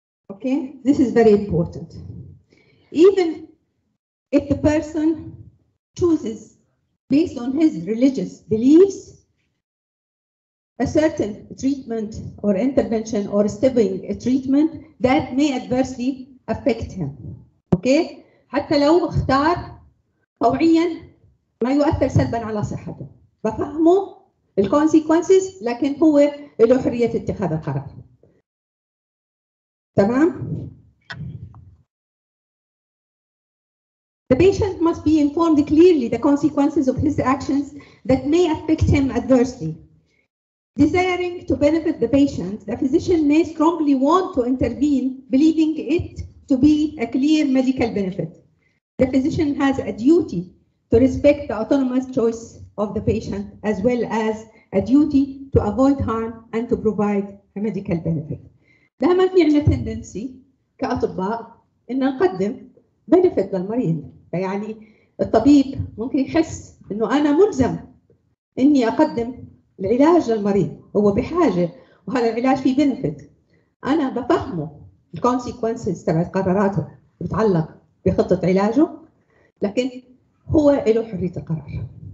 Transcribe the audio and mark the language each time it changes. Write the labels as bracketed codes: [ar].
[en] Okay, this is very important. even if the person chooses based on his religious beliefs, a certain treatment or intervention or stopping a treatment that may adversely affect him. Okay? [ar] حتى لو اختار طوعيا ما يؤثر سلبا على صحته. بفهمه [en] the consequences, [ar] لكن هو له حرية اتخاذ القرار. تمام؟ [en] The patient must be informed clearly the consequences of his actions that may affect him adversely. Desiring to benefit the patient, the physician may strongly want to intervene, believing it to be a clear medical benefit. The physician has a duty to respect the autonomous choice of the patient as well as a duty to avoid harm and to provide a medical benefit. [ar] دائما في عنا [en] tendency [ar] كأطباء إن نقدم benefit للمريض. فيعني الطبيب ممكن يحس انه انا ملزم اني اقدم العلاج للمريض، هو بحاجه وهذا العلاج فيه بنفيت. انا بفهمه الكونسيكونسز تبع قراراته بتعلق بخطه علاجه، لكن هو له حريه القرار.